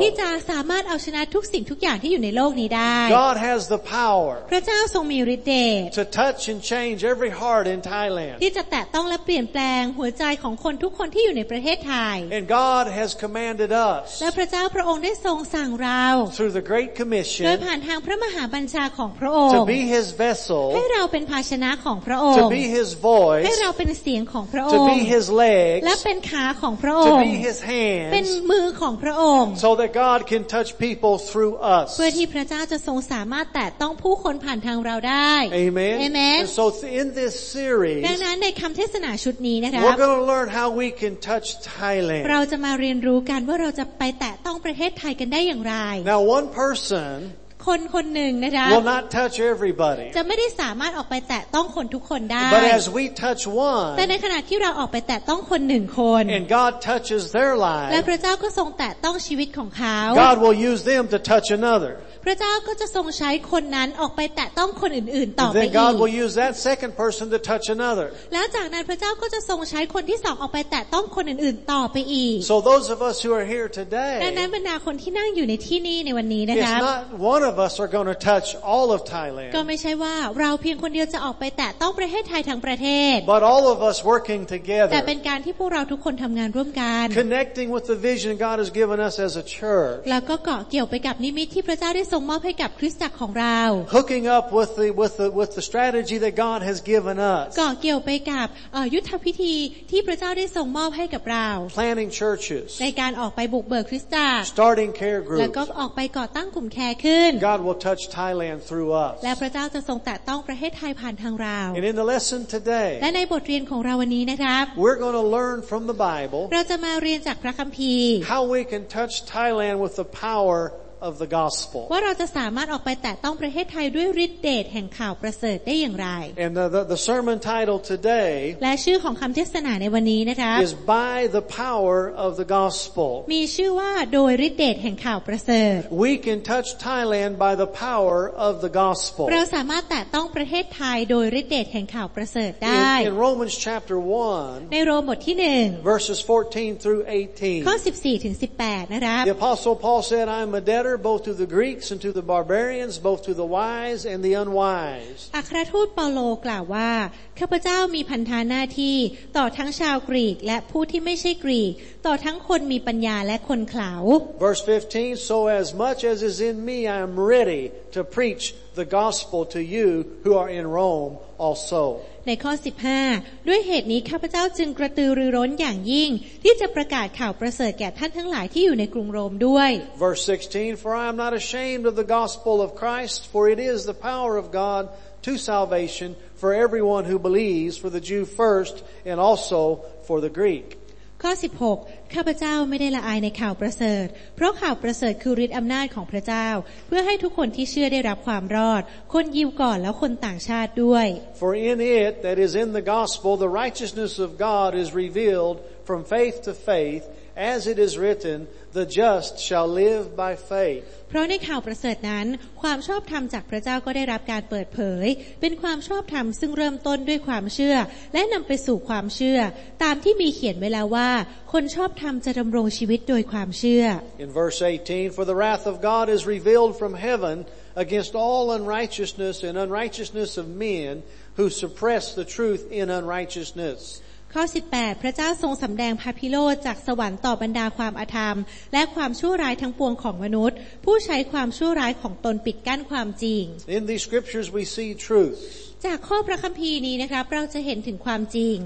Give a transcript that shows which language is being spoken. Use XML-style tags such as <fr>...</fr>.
<th>ที่จะสามารถเอาชนะทุกสิ่งทุกอย่างที่อยู่ในโลกนี้ได้</th> <en>God has the power</en> <th>พระเจ้าทรงมีฤทธิ์เดช</th> <en>to touch and change every heart in Thailand</en> <th>ที่จะแตะต้องและเปลี่ยนแปลงหัวใจของคนทุกคนที่อยู่ในประเทศไทย</th> <en>And God has commanded us</en> <th>และพระเจ้าพระองค์ได้ทรงสั่งเรา</th> <en>through the great commission</en> <th>โดยผ่านทางพระมหาบัญชาของพระองค์</th> <en>to be his vessel</en> <th>ให้เราเป็นภาชนะของพระองค์</th> <en>To be His voice,</en> <th>ให้เราเป็นเสียงของพระองค์</th> <en>To be His legs,</en> <th>และเป็นขาของพระองค์</th> <en>To be His hands,</en> <th>เป็นมือของพระองค์</th> <en>So that God can touch people through us,</en> <th>เพื่อที่พระเจ้าจะทรงสามารถแตะต้องผู้คนผ่านทางเราได้</th> <en>Amen, Amen. And so in this series,</en> <th>ดังนั้นในคำเทศนาชุดนี้นะครับ</th> <en>We're going to learn how we can touch Thailand.</en> <th>เราจะมาเรียนรู้กันว่าเราจะไปแตะต้องประเทศไทยกันได้อย่างไร</th> <en>Now one person.</en> <th>คนคนหนึ่งนะคะ</th> <en>will not touch everybody</en> <th>จะไม่ได้สามารถออกไปแตะต้องคนทุกคนได้</th> <en>but as we touch one</en> <th>แต่ในขณะที่เราออกไปแตะต้องคนหนึ่งคน</th> <en>and God touches their life</en> <th>และพระเจ้าก็ทรงแตะต้องชีวิตของเขา</th> <en>God will use them to touch another</en> <th>พระเจ้าก็จะทรงใช้คนนั้นออกไปแตะต้องคนอื่นๆต่อไปอีก</th> <en>Then God will use that second person to touch another.</en> <th>แล้วจากนั้นพระเจ้าก็จะทรงใช้คนที่2ออกไปแตะต้องคนอื่นๆต่อไปอีก</th> <en>So those of us who are here today.</en> <th>ดังนั้นบรรดาคนที่นั่งอยู่ในที่นี่ในวันนี้นะครับ</th> <en>It's not one of us are going to touch all of Thailand.</en> <th>ก็ไม่ใช่ว่าเราเพียงคนเดียวจะออกไปแตะต้องประเทศไทยทั้งประเทศ</th> <en>But all of us working together.</en> <th>แต่เป็นการที่พวกเราทุกคนทำงานร่วมกัน</th> <en>Connecting with the vision God has given us as a church.</en> <th>แล้วก็เกาะเกี่ยวไปกับนิมิตที่พระเจ้าส่งมอบให้กับคริสตจักรของเรา</th> <en>Hooking up with the strategy that God has given us</en> <th>ก็เกี่ยวไปกับยุทธวิธีที่พระเจ้าได้ส่งมอบให้กับเรา</th> <en>Planting churches</en> <th>ในการออกไปบุกเบิกคริสตจักร</th> <en>Starting care groups</en> <th>แล้วก็ออกไปก่อตั้งกลุ่มแคร์ขึ้น</th> <en>God will touch Thailand through us</en> <th>และพระเจ้าจะทรงแตะต้องประเทศไทยผ่านทางเรา</th> <en>And in the lesson today</en> <th>และในบทเรียนของเราวันนี้นะครับ</th> <en>We're going to learn from the Bible</en> <th>เราจะมาเรียนจากพระคัมภีร์</th> <en>How we can touch Thailand with the powerOf the gospel.</en> <th>ว่าเราจะสามารถออกไปแตะต้องประเทศไทยด้วยฤทธิ์เดชแห่งข่าวประเสริฐได้อย่างไร</th> <en>And the sermon title today</en> <th>และชื่อของคำเทศนาในวันนี้นะครับ</th> <en>is by the power of the gospel.</en> <th>มีชื่อว่าโดยฤทธิ์เดชแห่งข่าวประเสริฐ</th> <en>We can touch Thailand by the power of the gospel.</en> <th>เราสามารถแตะต้องประเทศไทยโดยฤทธิ์เดชแห่งข่าวประเสริฐได้</th> <en>In Romans chapter 1</en> <th>ในโรมบทที่1</th> <en>verses 14 through 18</en> <th>ข้อ14ถึง18นะครับ</th> <en>The apostle Paul said, "I am a debtor." Both to the Greeks and to the barbarians, both to the wise and the unwise.</en> <th>อัครทูตเปาโลกล่าวว่าข้าพเจ้ามีพันธหน้าที่ต่อทั้งชาวกรีกและผู้ที่ไม่ใช่กรีกต่อทั้งคนมีปัญญาและคนเขลา</th> <en>Verse 15. So as much as is in me, I am ready to preach the gospel to you who are in Rome also.</en> <th>ในข้อ15ด้วยเหตุนี้ข้าพเจ้าจึงกระตือรือร้นอย่างยิ่งที่จะประกาศข่าวประเสริฐแก่ท่านทั้งหลายที่อยู่ในกรุงโรมด้วย</th> <en>Verse 16 For I am not ashamed of the gospel of Christ for it is the power of God to salvation for everyone who believes for the Jew first and also for the Greek</en> <th>ข้อ16ข้าพเจ้าไม่ได้ละอายในข่าวประเสริฐเพราะข่าวประเสริฐคือฤทธิ์อำนาจของพระเจ้าเพื่อให้ทุกคนที่เชื่อได้รับความรอดคนยิวก่อนแล้วคนต่างชาติด้วย</th> <en>For in it that is in the gospel the righteousness of God is revealed from faith to faith as it is written the just shall live by faith</en> <th>เพราะในข่าวประเสริฐนั้นความชอบธรรมจากพระเจ้าก็ได้รับการเปิดเผยเป็นความชอบธรรมซึ่งเริ่มต้นด้วยความเชื่อและนำไปสู่ความเชื่อตามที่มีเขียนไว้แล้วว่าคนชอบธรรมจะดำรงชีวิตโดยความเชื่อ</th> <en>In verse 18 for the wrath of God is revealed from heaven against all unrighteousness and unrighteousness of men who suppress the truth in unrighteousness</en> <th>ข้อ18พระเจ้าทรงสำแดงพระพิโรธจากสวรรค์ต่อบรรดาความอธรรมและความชั่วร้ายทั้งปวงของมนุษย์ผู้ใช้ความชั่วร้ายของตนปิดกั้นความจริง</th> <en>In the scriptures we see truth</en> <th>จากข้อพระคัมภีร์นี้นะครับเราจะเห็นถึงความจริง</th>